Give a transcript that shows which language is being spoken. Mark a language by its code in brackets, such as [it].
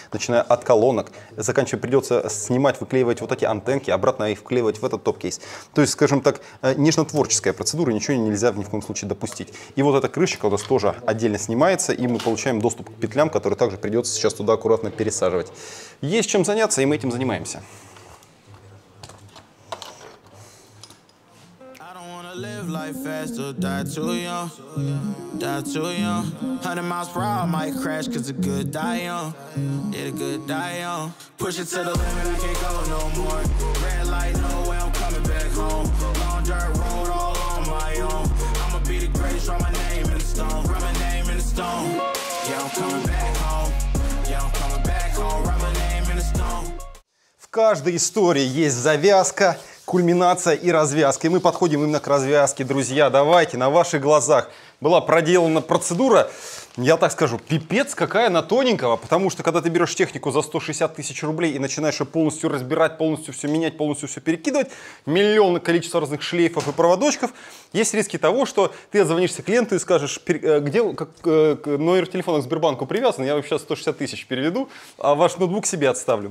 [ru] Начиная от колонок, заканчивая, придется снимать, выклеивать вот эти антенки, обратно их вклеивать в этот топ-кейс. То есть, скажем так, нежно-творческая процедура, ничего нельзя ни в коем случае допустить. И вот эта крышечка у нас тоже отдельно снимается, и мы получаем доступ к петлям, которые также придется сейчас туда аккуратно пересаживать. Есть чем заняться, и мы этим занимаемся. [en] Live life fast or die too young, 100 miles per hour might crash cause a good die young, yeah a good die young, push it to the limit, I can't go no more, red light, no way I'm coming back home, long dirt road all on my own, I'ma be the greatest, write my name in the stone, write my name in the stone, yeah I'm coming back home, yeah I'm coming back home, write my name in the stone. [ru] В каждой истории есть завязка, кульминация и развязка. И мы подходим именно к развязке, друзья. Давайте, на ваших глазах была проделана процедура. Я так скажу, пипец какая она тоненького, потому что когда ты берешь технику за 160 тысяч рублей и начинаешь ее полностью разбирать, полностью все менять, полностью все перекидывать, миллион количества разных шлейфов и проводочков, есть риски того, что ты звонишься клиенту и скажешь, где как, номер телефона к Сбербанку привязан, я вообще 160 тысяч переведу, а ваш ноутбук себе отставлю.